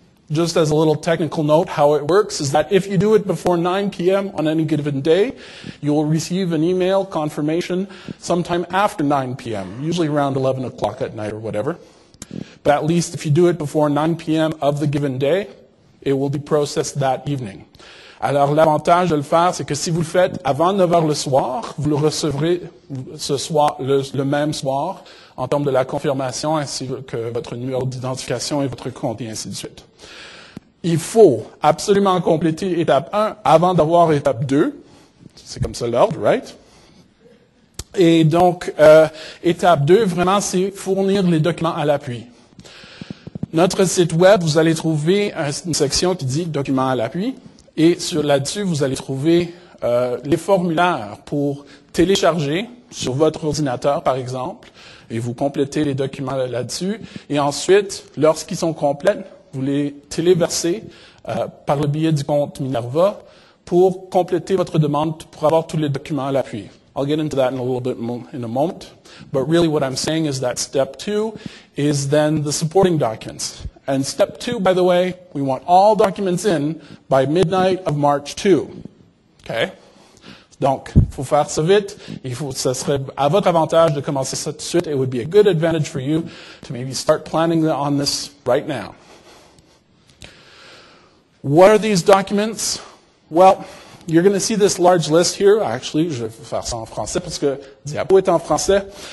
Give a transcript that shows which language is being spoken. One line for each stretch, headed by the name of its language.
English: Just as a little technical note, how it works is that if you do it before 9 p.m. on any given day, you will receive an email confirmation sometime after 9 p.m., usually around 11 o'clock at night or whatever. But at least if you do it before 9 p.m. of the given day, it will be processed that evening.
French: Alors, l'avantage de le faire, c'est que si vous le faites avant 9h le soir, vous le recevrez ce soir, le même soir, en termes de la confirmation, ainsi que votre numéro d'identification et votre compte, et ainsi de suite. Il faut absolument compléter étape 1 avant d'avoir étape 2. C'est comme ça l'ordre, right? Et donc, étape 2, vraiment, c'est fournir les documents à l'appui. Notre site web, vous allez trouver une section qui dit « Documents à l'appui ». Et là-dessus, vous allez trouver les formulaires pour télécharger sur votre ordinateur, par exemple, et vous complétez les documents là-dessus. Et ensuite, lorsqu'ils sont complets, vous les téléversez par le biais du compte Minerva pour compléter votre demande pour avoir tous les documents à l'appui.
English: I'll get into that in a moment. But really what I'm saying is that step two is then the supporting documents. And step two, by the way, we want all documents in by midnight of March 2.
French: Okay? Donc, il faut faire ça vite. Ça serait à votre avantage de commencer ça tout de suite.
English: It would be a good advantage for you to maybe start planning on this right now. What are these documents? Well, you're going to see this large list here.
French: Actually, je vais faire ça en français parce que diapo est en français.